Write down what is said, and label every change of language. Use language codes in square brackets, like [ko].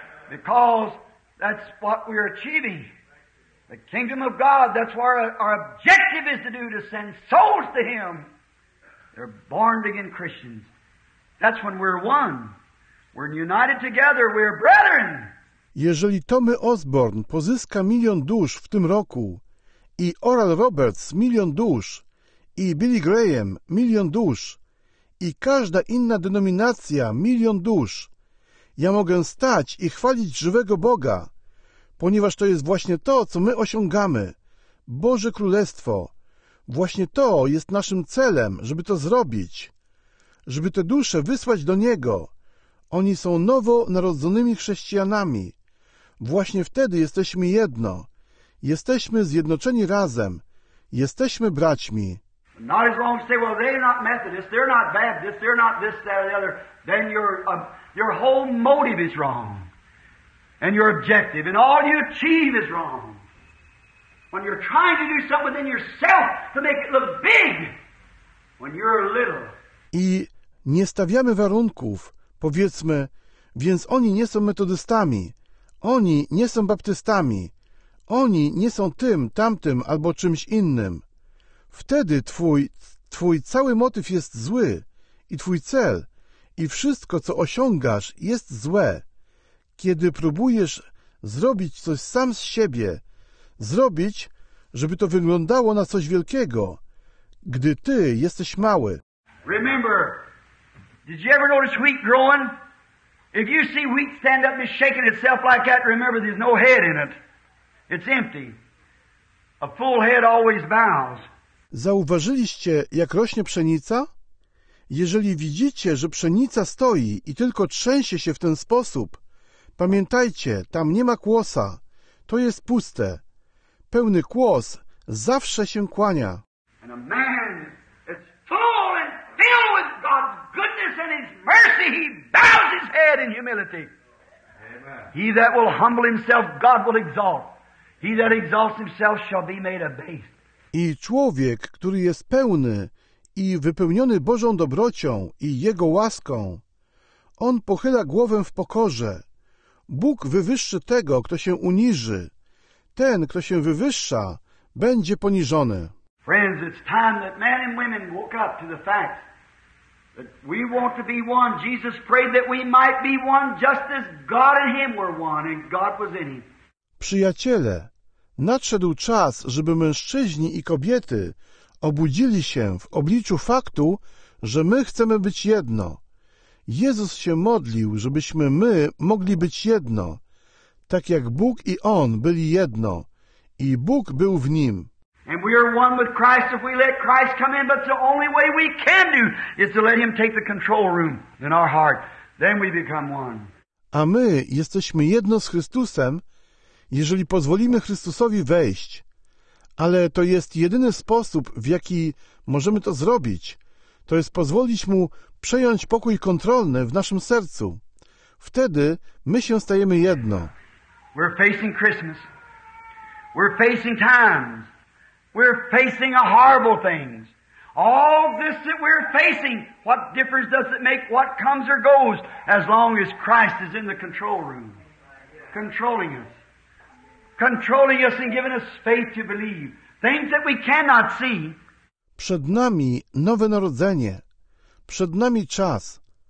[en] Because that's what we're achieving. The kingdom of God, that's what our objective is to do, to send souls to Him. They're born again Christians. That's when we're one. We're united together. We're brethren. [pl] Jeżeli Tommy Osborne pozyska 1,000,000 dusz w tym roku i Oral Roberts 1,000,000 dusz i Billy Graham 1,000,000 dusz i każda inna denominacja 1,000,000 dusz, ja mogę stać i chwalić żywego Boga, ponieważ to jest właśnie to, co my osiągamy. Boże Królestwo. Właśnie to jest naszym celem, żeby to zrobić. Żeby te dusze wysłać do Niego. Oni są nowo narodzonymi chrześcijanami. Właśnie wtedy jesteśmy jedno. Jesteśmy zjednoczeni razem. Jesteśmy braćmi. [en] Not as long as say, well, they're not Methodists, they're not Baptists, they're not this, that, or the other. Then your whole motive is wrong. And your objective and all you achieve is wrong. When you're trying to do something within yourself to make it look big, when you're little. [pl] I nie stawiamy warunków. Powiedzmy, więc oni nie są metodystami, oni nie są baptystami, oni nie są tym, tamtym albo czymś innym. Wtedy twój cały motyw jest zły i twój cel i wszystko, co osiągasz, jest złe. Kiedy próbujesz zrobić coś sam z siebie, zrobić, żeby to wyglądało na coś wielkiego, gdy ty jesteś mały. [en] Remember. Did you ever notice wheat growing? If you see wheat stand up and shaking itself like that, remember there's no head in it. It's empty. A full head always bows. [pl] Zauważyliście, jak rośnie pszenica? Jeżeli widzicie, że pszenica stoi i tylko trzęsie się w ten sposób, Pamiętajcie, tam nie ma kłosa. To jest puste. Pełny kłos zawsze się kłania. [en] And a man is full and filled with God's goodness and His mercy. He bows his head in humility. Amen. He that will humble himself, God will exalt. He that exalts himself shall be made abased. [pl] I człowiek, który jest pełny i wypełniony Bożą dobrocią i Jego łaską, on pochyla głowę w pokorze. Bóg wywyższy tego, kto się uniży. Ten, kto się wywyższa, będzie poniżony. [en] Friends, it's time that men and women woke up to the fact that we want to be one. Jesus prayed that we might be one, just as God and Him were one, and God was in Him. [pl] Przyjaciele, nadszedł czas, żeby mężczyźni i kobiety obudzili się w obliczu faktu, że my chcemy być jedno. Jezus się modlił, żebyśmy my mogli być jedno, tak jak Bóg i On byli jedno, i Bóg był w Nim. [en] And we are one with Christ if we let Christ come in, but the only way we can do is to let Him take the control room in our heart. Then we become one. [pl] A my jesteśmy jedno z Chrystusem, jeżeli pozwolimy Chrystusowi wejść. Ale to jest jedyny sposób, w jaki możemy to zrobić. To jest pozwolić Mu przejąć pokój kontrolny w naszym sercu. Wtedy my się stajemy jedno. [en] We're facing Christmas. We're facing times. We're facing a horrible things. All this that we're facing, what difference does it make what comes or goes as long as Christ is in the control room, controlling us. Controlling us and giving us faith to believe. Things that we cannot see. [pl] Przed nami nowe narodzenie. Przed nami czas.